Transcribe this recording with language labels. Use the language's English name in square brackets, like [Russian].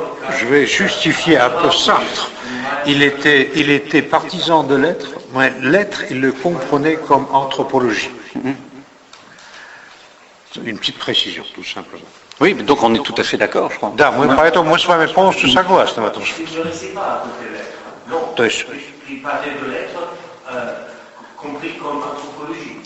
[French] Je vais justifier un peu Sartre. Il était partisan de l'être, mais l'être, il le comprenait comme anthropologie. Mm-hmm. Une petite précision, tout simplement. Oui, mais donc on est tout à fait d'accord, je crois. [Russian] Да, поэтому мы с вами полностью согласны в этом. [French] Je ne sais pas à côté de l'être. Non, il parlait de l'être compris comme anthropologie.